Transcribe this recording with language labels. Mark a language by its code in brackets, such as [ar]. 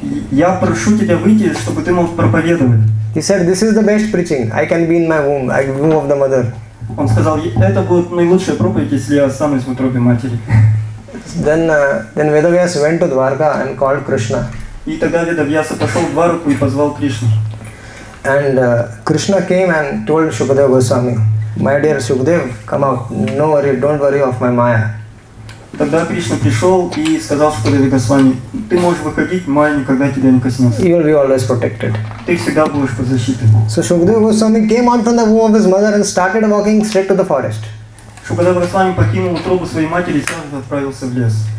[ru] Я прошу тебя выйти, чтобы ты мог проповедовать. [en] He said, this is the best preaching. I can be in my womb, like womb of the mother. [ru] Он сказал, это будет наилучшая проповедь, если я останусь в утробе матери. [en] Then Vedavyas went to Dwarka and called Krishna. [ru] И тогда Ведавьяса пошел в Дварку и позвал Кришну. [en] And Krishna came and told Shukadeva Goswami, my dear Shukadev, come out, no worry, don't worry of my Maya. [ru] Тогда Кришна пришел и сказал Шукадеве Госвами, ты можешь выходить, Майя никогда тебя не коснется. [en] You will be always protected. [ru] Ты всегда будешь под защитой. [en] So Shukadeva Goswami came out from the womb of his mother and started walking straight to the forest. [ru] Шукадева Госвами покинул утробу своей матери и сразу отправился в лес.